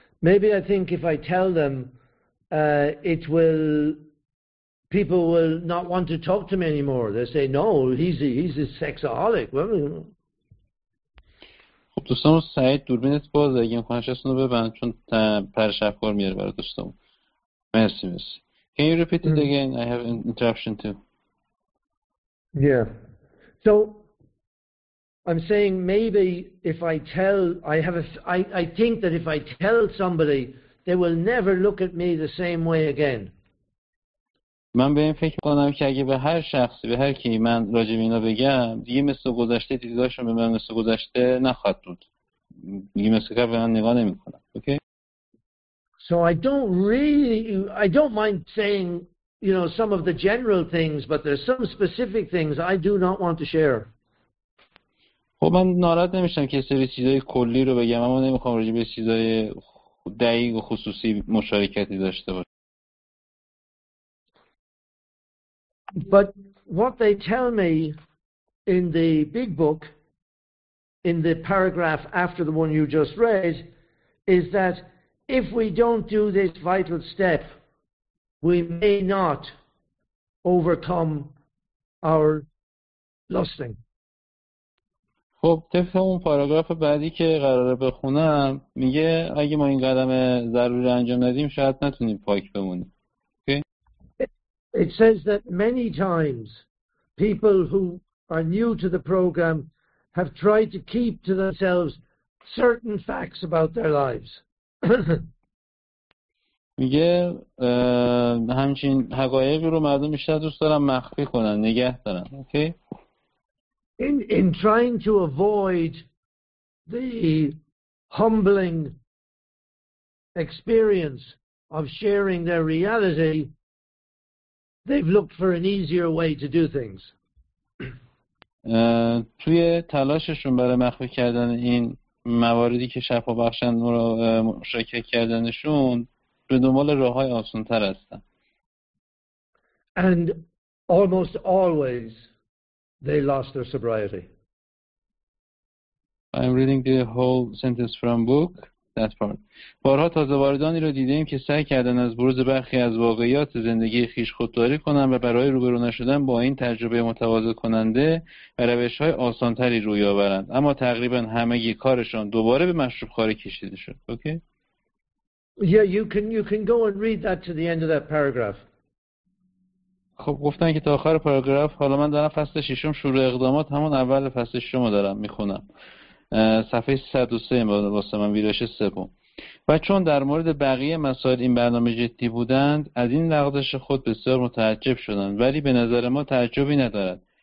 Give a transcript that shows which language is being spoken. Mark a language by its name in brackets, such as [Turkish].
[English] Maybe I think if I tell them, it will. People will not want to talk to me anymore. They say, "No, he's a sexaholic." Well, you know. [Persian] خب دوستان سعید دوربینت باز اگه خواستن رو ببند چون پرشافکار میاره برای دوستان. [English] مرسی مرسی. Can you repeat it again? I have an interruption too. Yeah. So I'm saying maybe if I tell, I think that if I tell somebody, they will never look at me the same way again. [Persian] من به این فکر کنم که اگه به هر شخصی، به هر کی من راجع به اینا بگم، دیگه مثل گذشته دیدگاهشون به من مثل گذشته نخواهد بود. دیگه مثل که به من نگاه نمی‌کنن. [English] Okay. So I don't mind saying, you know, some of the general things, but there's some specific things I do not want to share. [Persian] خب من ناراحت نمیشم که سری چیزای کلی رو بگم، اما نمیخوام راجع به چیزای دقیق و خصوصی مشارکتی داشته باشم. [English] But what they tell me in the big book, in the paragraph after the one you just read, is that if we don't do this vital step, we may not overcome our lusting. [Persian] خب طبق اون پاراگراف بعدی که قراره بخونم میگه اگه ما این قدم ضروری رو انجام ندیم شاید نتونیم پاک بمونیم. [English] It says that many times people who are new to the program have tried to keep to themselves certain facts about their lives. [Persian] میگه همچین حقایقی رو مردم بیشتر دوست دارن مخفی کنن، نگه دارن. [English] Okay. In trying to avoid the humbling experience of sharing their reality, they've looked for an easier way to do things. [Persian] توی تلاششون برای مخفی کردن این مواردی که شفا بخشن رو مشکل کردنشون، به دنبال راه‌های آسان‌تر هستن. [English] And almost always they lost their sobriety. I'm reading the whole sentence from book, that part. [Persian] بارها تازه واردانی رو دیدیم که سعی کردن از بروز برخی از واقعیات زندگی خیش خودداری کنن و برای روبرو نشدن با این تجربه متواضع کننده و روش‌های آسان‌تری روی آورند، اما تقریبا همه گی کارشان دوباره به مشروب خواری کشیده شد. [English] Okay. Yeah, you can go and read that to the end of that paragraph. [Persian] خب گفتن که تا آخر پاراگراف، حالا من دارم فصل ششم شروع اقدامات، همون اول فصل ششم رو دارم میخونم. صفحه 103 واسه من ویرایش سوم. و چون در مورد بقیه مسائل این برنامه جدی بودند، از این لغزش خود بسیار متعجب شدند، ولی به نظر ما تعجبی ندارد.